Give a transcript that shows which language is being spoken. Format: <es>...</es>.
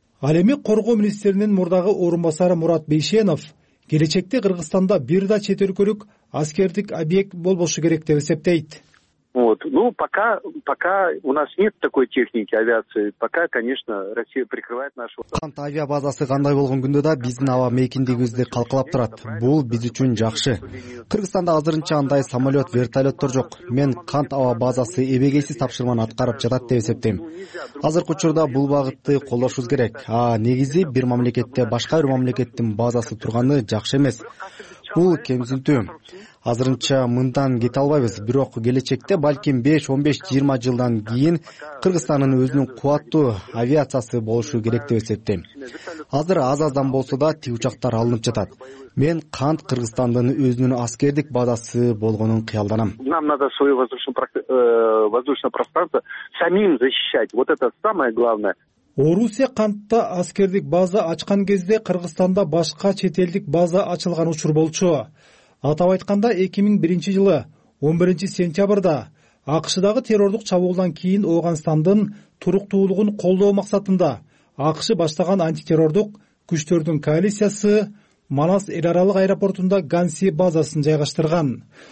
<ky>Ал эми коргоо министринин мурдагы орун басары Мурат Бейшенов келечекте Кыргызстанда бир да чет өлкөлүк аскердик объект болбошу керек деп эсептейт.</ky> <ru>Вот. Ну, пока у нас нет такой техники авиации. Пока, конечно, Россия прикрывает нашу.</ru> <ky>Кант авиабазасы кандай болгон күндө да биздин аба мейкиндигибизди калкалап турат. Бул биз үчүн жакшы. Кыргызстанда азырынча андай самолет, вертолеттор жок. Мен Кант аба базасы эбегейсиз тапшырманы аткарып жатат деп эсептейм. Азыркы учурда бул багытты колдошубуз керек. А негизи бир мамлекетте башка бир мамлекеттин базасы турганы жакшы эмес. Бул кемсинтүү. Азырынча мындан кете албайбыз, бирок келечекте балким 5-15-20 жылдан кийин Кыргызстандын өзүнүн кубаттуу авиациясы болушу керек деп эсептейм. Азыр аз-аздан болсо да тиги учактар алынып жатат. Мен Кант Кыргызстандын өзүнүн аскердик базасы болгонун кыялданам.</ky> <ru>Нам надо свою воздушное пространство самим защищать. Вот это самое главное.</ru> <ky>Орусия Кантта аскердик база ачкан кезде Кыргызстанда башка чет элдик база ачылган учур болчу. Атап айтканда 2001 жылы 11 сентябрда АКШдагы террордук чабуулдан кийин Ооганстандын туруктуулугун колдоо максатында АКШ баштаган антитеррордук күчтөрдүн коалициясы Манас эл аралык аэропортунда Ганси базасын жайгаштырган.</ky>